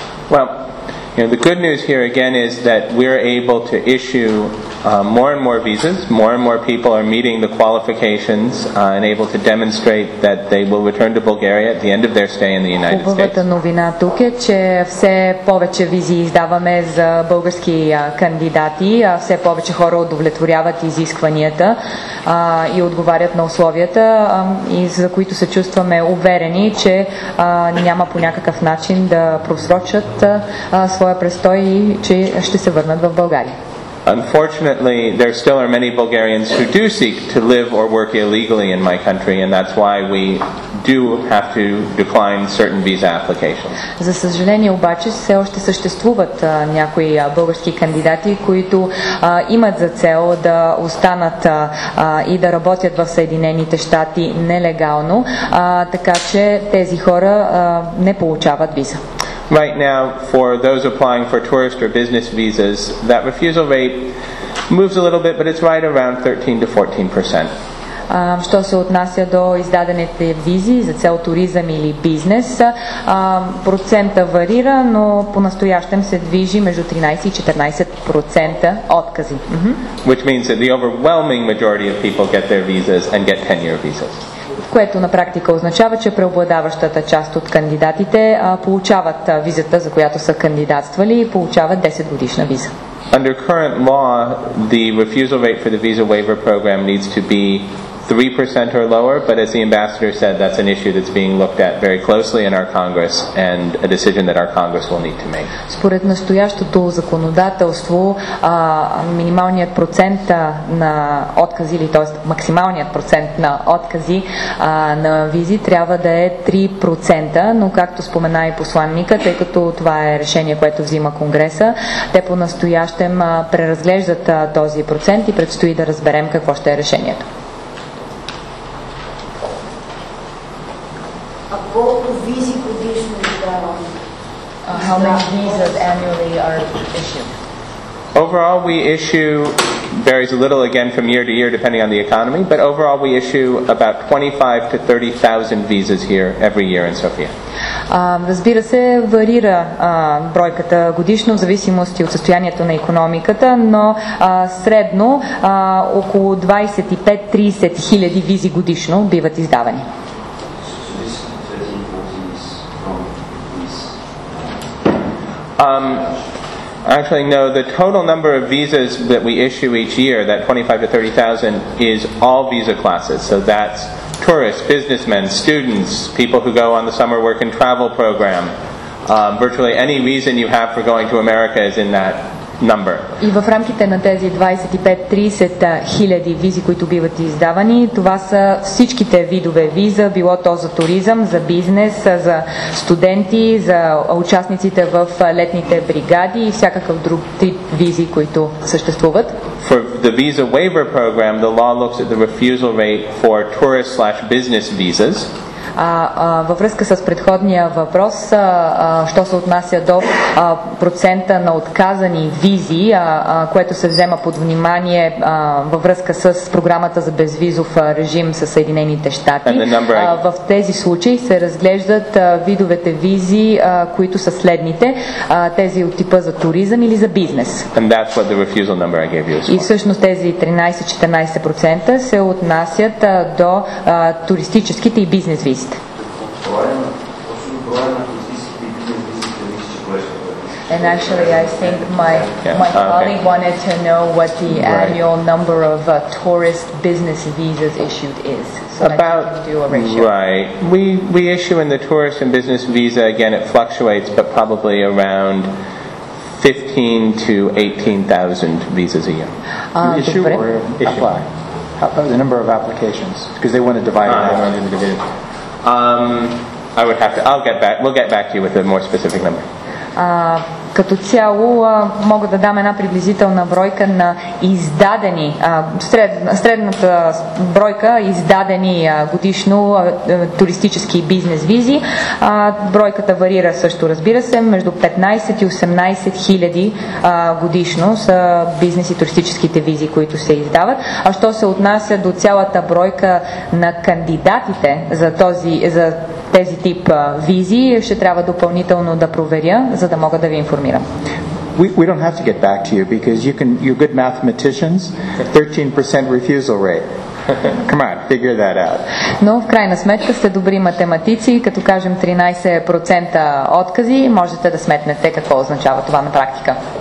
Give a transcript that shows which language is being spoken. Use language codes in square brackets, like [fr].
[en] You know, the good news here again is that we're able to issue more and more visas. More and more people are meeting the qualifications and able to demonstrate that they will return to Bulgaria at the end of their stay in the United States. [bg] Хубавата новина тук е, че все повече визи издаваме за български кандидати, а все повече хора удовлетворяват изискванията и отговарят на условията, и за които се чувстваме уверени, че няма по някакъв начин да просрочат своя престой и че ще се върнат в България. [en] Unfortunately, there still are many Bulgarians who do seek to live or work illegally in my country, and that's why we do have to decline certain visa applications. [bg] За съжаление обаче все още съществуват някои български кандидати, които имат за цел да останат и да работят в Съединените щати нелегално, така че тези хора не получават виза. [en] Right now, for those applying for tourist or business visas, that refusal rate moves a little bit, but it's right around 13-14%. [bg] Що се отнася до издадените визи за цел туризъм или бизнес, процента варира, но по-настоящем се движи между 13-14% откази. [en] Which means that the overwhelming majority of people get their visas and get 10-year visas. [bg] Което на практика означава, че преобладаващата част от кандидатите получават визата, за която са кандидатствали, и получават 10 годишна виза. [en] Under current law, the refusal rate for the visa waiver program needs to be 3% or lower, but as the ambassador said, that's an issue that's being looked at very closely in our Congress and a decision that our Congress will need to make. [bg] Според настоящото законодателство, минималният процент на откази, или т.е. максималният процент на откази на визи трябва да е 3%, но както спомена и посланника, тъй като това е решение, което взима Конгреса, те по-настоящем преразглеждат този процент и предстои да разберем какво ще е решението. [en] How many visas annually are issued? Overall, we issue, varies a little again from year to year depending on the economy, but overall we issue about 25,000-30,000 visas here every year in Sofia. [bg] Разбира се, варира бройката годишно в зависимости от състоянието на икономиката, но средно около 25-30 хиляди визи годишно биват издавани. [en] Actually, no, the total number of visas that we issue each year, that 25 to 30,000, is all visa classes. So that's tourists, businessmen, students, people who go on the summer work and travel program. Virtually any reason you have for going to America is in that number. [bg] И в рамките на тези 25-30 хиляди визи, които биват издавани, това са всичките видове виза, било то за туризъм, за бизнес, за студенти, за участниците в летните бригади и всякакъв друг тип визи, които съществуват. [en] For the visa waiver program, the law looks at the refusal rate for tourist/business visas. [bg] Във връзка с предходния въпрос, що се отнася до процента на отказани визи, което се взема под внимание във връзка с програмата за безвизов режим със Съединените щати, в тези случаи се разглеждат видовете визи, които са следните, тези от типа за туризъм или за бизнес. [en] And that's what the refusal number I gave you as well. [bg] И всъщност тези 13-14% се отнасят до туристическите и бизнес визи. [en] And actually, I think my colleague wanted to know what the annual number of tourist business visas issued is. So about, right. We issue in the tourist and business visa, again, it fluctuates, but probably around 15,000 to 18,000 visas a year. Issue or apply? How about the number of applications? Because they want to divide it. I would have to. I'll get back. We'll get back to you with a more specific number. [bg] Като цяло мога да дам една приблизителна бройка на издадени, средната бройка издадени годишно туристически бизнес визи. Бройката варира също, разбира се, между 15 и 18 хиляди годишно са бизнес и туристическите визи, които се издават. А що се отнася до цялата бройка на кандидатите за този, за тези тип визи, ще трябва допълнително да проверя, за да мога да ви информирам. [en] We don't have to get back to you because you're good mathematicians. 13% refusal rate. Come on, figure that out. [bg] Но в крайна сметка сте добри математици, като кажем 13% откази, можете да сметнете какво означава това на практика.